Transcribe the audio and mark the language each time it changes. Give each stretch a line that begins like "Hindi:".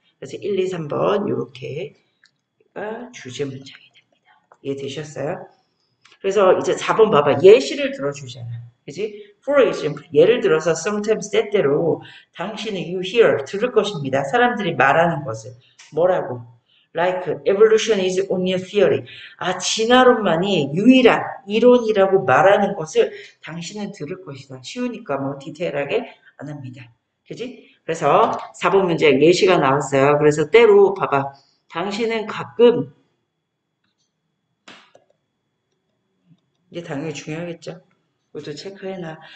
Korean: 그래서 1, 2, 3번 이렇게가 주제 문장이 됩니다. 이해되셨어요? 그래서 이제 4번 봐봐. 예시를 들어주잖아. 그지?
English: For example,
Korean: 예를 들어서
English: sometimes
Korean: 때때로 당신은
English: you hear,
Korean: 들을 것입니다. 사람들이 말하는 것을. 뭐라고?
English: Like, evolution is only a theory.
Korean: 아, 진화론만이 유일한 이론이라고 말하는 것을 당신은 들을 것이다. 쉬우니까 뭐 디테일하게 안 합니다. 그지? 그래서 4번 문제 예시가 나왔어요. 그래서 때로 봐봐. 당신은 가끔, 이게 당연히 중요하겠죠? 이것도 체크해놔.